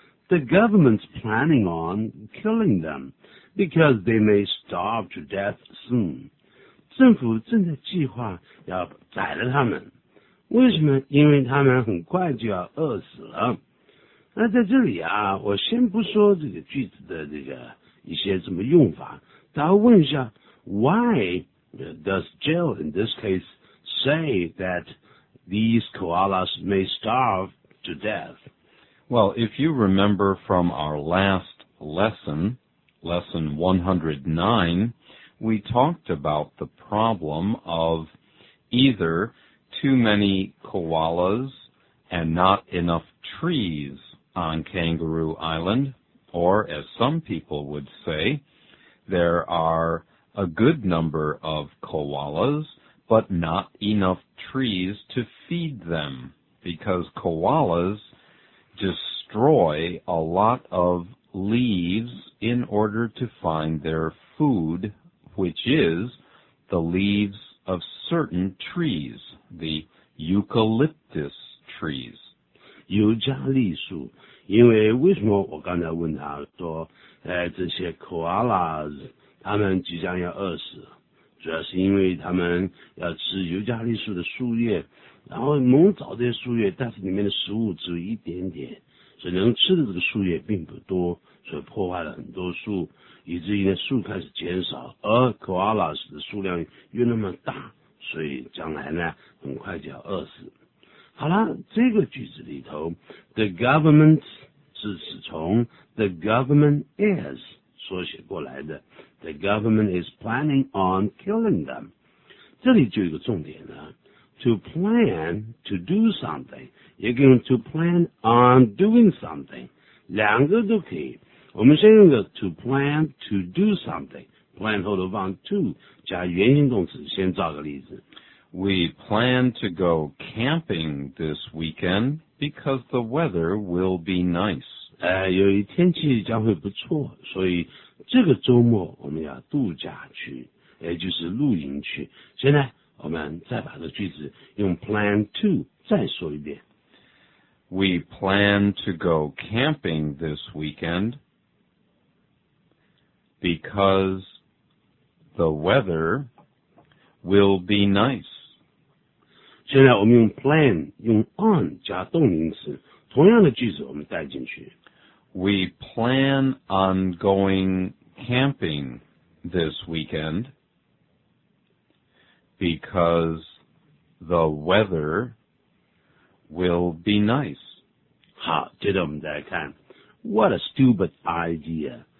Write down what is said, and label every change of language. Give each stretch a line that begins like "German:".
English: The government's planning on killing them because they may starve to death soon.
Chinese: 政府正在计划要宰了他们。为什么？因为他们很快就要饿死了。那在这里啊，我先不说这个句子的这个一些什么用法，大家问一下 ，
English: Why does Jill in this case say that these koalas may starve to death? Well, if you remember from our last lesson, lesson 109, we talked about the problem of either too many koalas and not enough trees on Kangaroo Island, or as some people would say, there are a good number of koalas, but not enough trees to feed them, because koalas destroy a lot of leaves in order to find their food, which is the leaves of certain trees, the eucalyptus trees.
Chinese: 尤加利树，因为为什么我刚才问他说，这些 koalas 他们即将要饿死，主要是因为他们要吃尤加利树的树叶，然后猛找这些树叶，但是里面的食物只有一点点，所以能吃的这个树叶并不多，所以破坏了很多树，以至于呢树开始减少，而 koalas 的数量又那么大，所以将来呢很快就要饿死。好啦，这个句子里头
English: the government 是指从 the government is 缩写过来的， the government is planning on killing them，
Chinese: 这里就有一个重点了， to plan to do something 也可以用 to plan on doing something， 两个都可以。我们先用个 to plan to do something， plan 后头放 to 加原形动词，先造个例子。
English: We plan to go camping this weekend because the weather will be nice.
Chinese: 由于天气将会不错，所以这个周末我们要度假去，也就是露营去。现在我们再把这句子用 plan to 再说一遍。
English: We plan to go camping this weekend because the weather will be nice.
Chinese: 现在我们用 plan 用 on 加动名词，同样的句子我们带进去。
English: We plan on going camping this weekend because the weather will be nice.
Chinese: 好，接着我们再看 ，
English: What a stupid idea！